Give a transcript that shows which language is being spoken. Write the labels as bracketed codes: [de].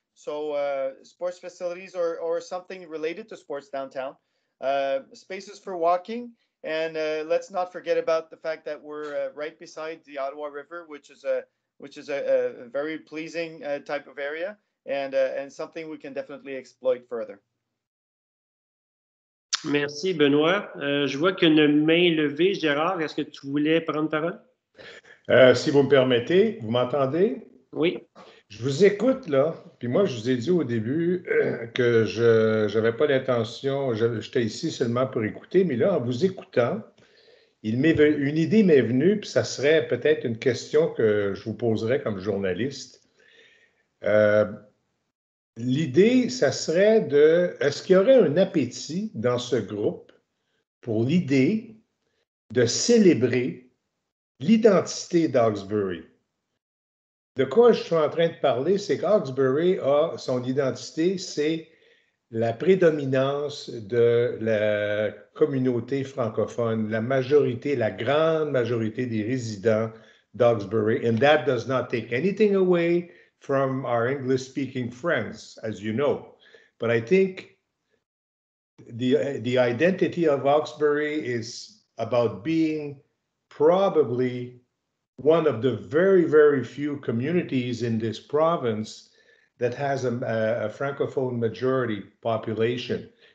[en] So sports facilities or something related to sports downtown, spaces for walking, and let's not forget about the fact that we're right beside the Ottawa River, which is a very pleasing type of area, and something we can definitely exploit further. [fr] Merci, Benoît. Je vois qu'il y a une main levée. Gérard, est-ce que tu voulais prendre parole? Si vous me permettez, vous m'entendez? Oui. Je vous écoute, là. Puis moi, je vous ai dit au début que je n'avais pas l'intention, j'étais ici seulement pour écouter, mais là, en vous écoutant, une idée m'est venue, puis ça serait peut-être une question que je vous poserais comme journaliste. L'idée, ça serait de, est-ce qu'il y aurait un appétit dans ce groupe pour l'idée de célébrer l'identité d'Hawkesbury? De quoi je suis en train de parler, c'est qu'Hawkesbury a son identité, c'est la prédominance de la communauté francophone, la majorité, la grande majorité des résidents d'Hawkesbury. [en] And that does not take anything away from our English-speaking friends, as you know. But I think the identity of Hawkesbury is about being probably one of the very, very few communities in this province that has a Francophone majority population.